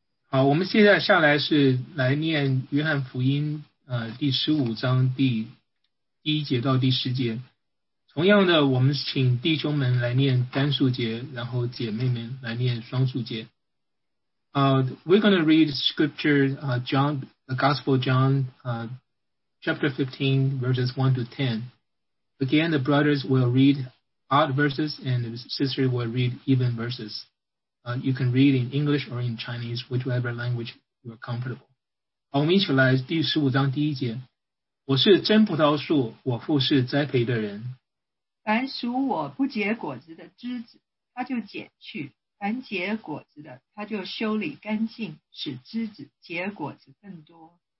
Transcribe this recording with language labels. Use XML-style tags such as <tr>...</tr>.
<zh>好，我们现在下来是来念约翰福音第十五章第一节到第十节。同样的，我们请弟兄们来念单数节，然后姐妹们来念双数节。</zh> <en>We're going to read scripture, John, the Gospel of John, chapter 15, verses 1 to 10. Again, the brothers will read odd verses and the sister will read even verses. You can read in English or in Chinese, whichever language you are comfortable.</en> <zh>好，我们一起来第十五章第一节。我是真葡萄树，我父是栽培的人。凡属我不结果子的枝子，他就剪去；凡结果子的，他就修理干净，使枝子结果子更多。</zh>